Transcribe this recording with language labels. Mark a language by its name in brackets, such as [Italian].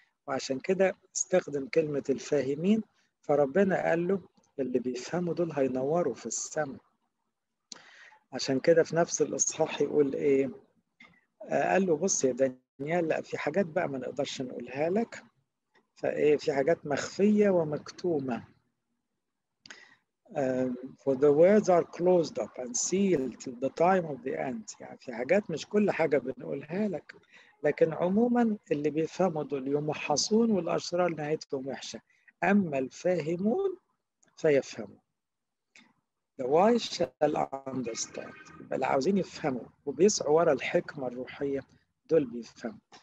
[Arabic] وعشان كده استخدم كلمة الفاهمين، فربنا قال له اللي بيفهموا دول هينوروا في السماء. عشان كده في نفس الإصحاح يقول إيه، قال له بص يا دانيال، لأ في حاجات بقى ما نقدرش نقولها لك، فإيه في حاجات مخفية ومكتومة. [English] For the words are closed up and sealed till the time of the end. [Arabic] يعني في حاجات مش كل حاجة بنقولها لك، لكن عموما اللي بيفهموا دول يمحصون والأشرار نهايتهم وحشة، أما الفاهمون فيفهموا. [English] The wise shall understand. [Arabic] اللي عاوزين يفهموا وبيسعوا وراء الحكمة الروحية دول بيفهموا.